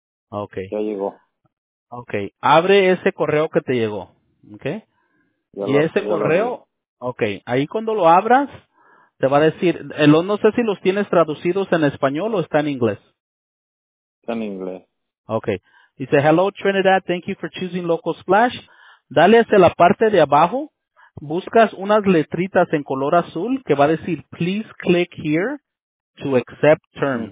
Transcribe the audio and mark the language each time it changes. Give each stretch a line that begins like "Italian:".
English: Okay.
Spanish: Ya llegó. Okay, abre ese correo que te llegó, ¿okay? Y ese correo, okay, ahí cuando lo abras, te va a decir, no sé si los tienes traducidos en español o está en inglés. Está en inglés.
English: Okay.
Spanish: Dice,
English: "Hello Trinidad, thank you for choosing Local Splash."
Spanish: Dale hacia la parte de abajo, buscas unas letritas en color azul que va a decir,
English: "Please click here to accept terms."